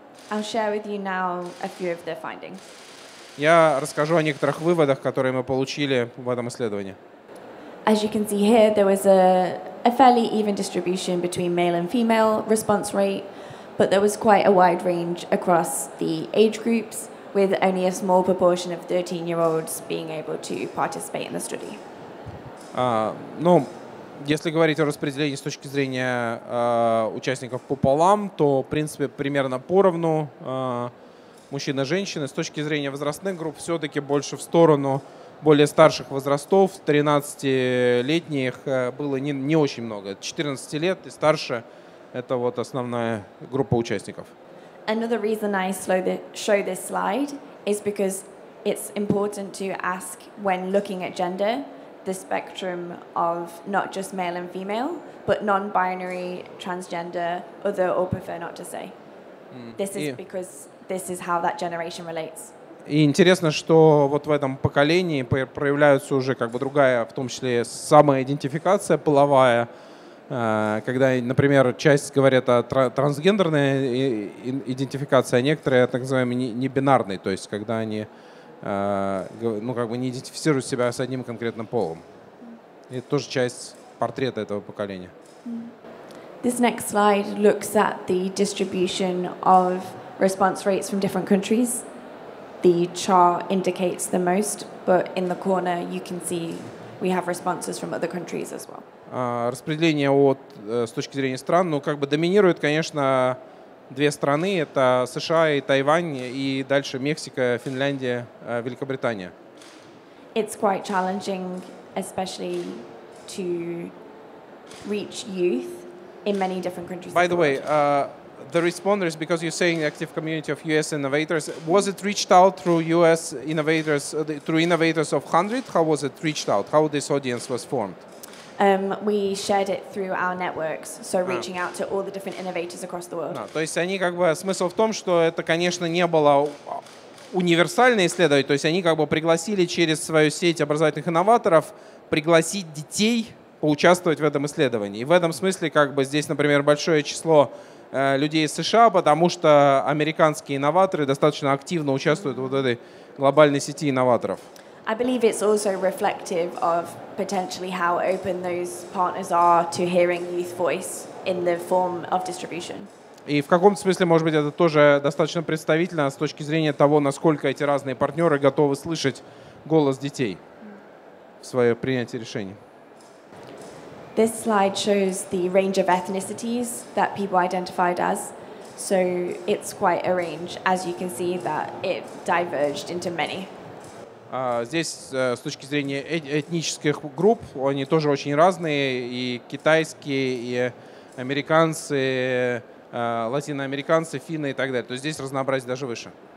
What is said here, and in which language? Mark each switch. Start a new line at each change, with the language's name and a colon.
English: I'll share with you now a few of the findings.
Russian: Я расскажу о некоторых выводах, которые мы получили в этом исследовании.
English: As you can see here, there was a fairly even distribution between male and female response rate, but there was quite a wide range across the age groups, with only a small proportion of 13-year-olds being able to participate in the study.
Russian: Ну, если говорить о распределении с точки зрения участников пополам, то, в принципе, примерно поровну мужчины-женщины. С точки зрения возрастных групп все-таки больше в сторону более старших возрастов, 13-летних было не очень много. 14 лет и старше – это вот основная группа участников.
English: Another reason I show this slide is because it's important to ask when looking at gender the spectrum of not just male and female, but non-binary, transgender, other or prefer not to say. This is because this is how that generation relates.
Russian: И интересно, что вот в этом поколении проявляется уже как бы другая, в том числе самоидентификация половая, когда, например, часть говорят о трансгендерной идентификации, а некоторые о так называемой небинарной, то есть когда они ну, как бы не идентифицируют себя с одним конкретным полом. И это тоже часть портрета этого поколения.
English: This next slide looks at the distribution of response rates from different countries. The chart indicates the most, but in the corner you can see we have responses from other countries as well.
Russian: Распределение от с точки зрения стран, ну как бы доминируют, конечно, две страны: это США и Тайвань, и дальше Мексика, Финляндия, Великобритания.
English: It's quite challenging, especially to reach youth in many different countries. By the way. The responders, because you're saying active community of U.S. innovators, was it reached out through U.S. innovators, through innovators of 100? How was it reached out? How this audience was formed? We shared it through our networks, so reaching out to all the different innovators across the world.
Russian: То есть они как бы, смысл в том, что это, конечно, не было универсальное исследование, то есть они как бы пригласили через свою сеть образовательных инноваторов пригласить детей поучаствовать в этом исследовании. И в этом смысле как бы здесь, например, большое число людей из США, потому что американские инноваторы достаточно активно участвуют вот в этой глобальной сети инноваторов.
English: I believe it's also reflective of potentially how open those partners are to hearing youth voice in the form of distribution.
Russian: И в каком-то смысле, может быть, это тоже достаточно представительно с точки зрения того, насколько эти разные партнеры готовы слышать голос детей в свое принятие решений.
English: This slide shows the range of ethnicities that people identified as. So it's quite a range, as you can see, that it diverged into many.
Russian: Здесь, с точки зрения этнических групп, они тоже очень разные. И китайские, и американцы, латиноамериканцы, финны и так далее. То есть здесь разнообразие даже выше.